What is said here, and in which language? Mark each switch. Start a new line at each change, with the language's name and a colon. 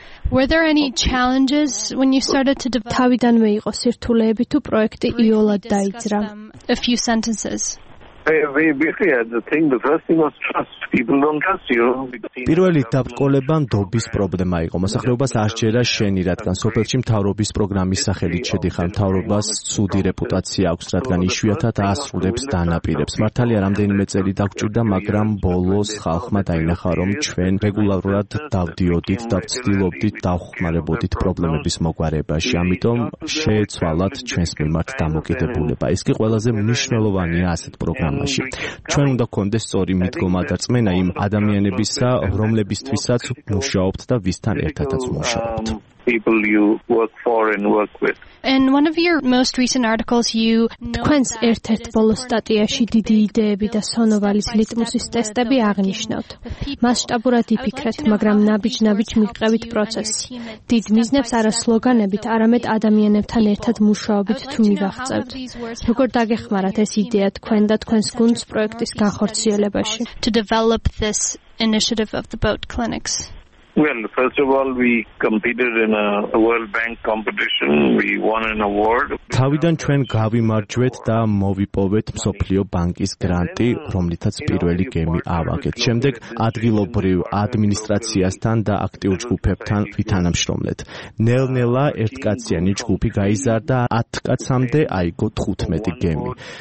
English: Were there any challenges when you started to develop?
Georgian: თავიდანვე იყო სირთულეები თუ პროექტი იოლად დაიძრა?
English: A few sentences.
Georgian: პირველი დაბრკოლება ნდობის პრობლემა იყო. მოსახლეობას არ შეერა შენი, რადგან სოფელში მთავრობის პროგრამის სახელით შედიხარ. მთავრობას ცუდი რეპუტაცია აქვს, რადგან იშვიათად ასრულებს დანაპირებს. მართალია, რამდენიმე წელი დაგვჭირდა, მაგრამ ბოლოს ხალხმა დაინახა, რომ ჩვენ რეგულარულად დავდიოდით და ვცდილობდით დავხმარებოდით პრობლემების მოგვარებაში. ამიტომ შეეცვალათ ჩვენს მიმართ დამოკიდებულება. ეს კი ყველაზე მნიშვნელოვანია ასეთ პროგრამაში. ჩვენ უნდა გქონდეს სწორი მიდგომა და წმენა იმ ადამიანებისა, რომლებისთვისაც მუშაობთ და ვისთან ერთადაც მუშაობთ.
English: People you work for and work with. In one of your most recent articles you
Georgian: თქვენს ერთ-ერთ ბოლო სტატიაში დიდი იდეები და სონოვალის ლიტმუსის ტესტები აღნიშნავთ. მასშტაბურად იფიქრეთ, მაგრამ ნაბიჯ-ნაბიჯ მიყვევით პროცესს. დიდ მიზნებს არა სლოგანებით, არამედ ადამიანებთან ერთად მუშაობით თუ მივახცევთ. როგორ დაგეხმარათ ეს იდეა თქვენ და თქვენს გუნდს პროექტის განხორციელებაში?
English: To develop this initiative of the boat clinics. Well, first of all, we competed in a World Bank competition. We won an award.
Georgian: თავიდან ჩვენ გავიმარჯვეთ და მოვიპოვეთ მსოფლიო ბანკის გრანტი, რომლითაც პირველი გემი ავაგეთ. შემდეგ ადგილობრივ ადმინისტრაციასთან და აქტიურ ჯგუფებთან ვითანამშრომლეთ. ნელ-ნელა ერთკაციანი ჯგუფი გაიზარდა, 10 კაცამდე აიგო 15 გემი.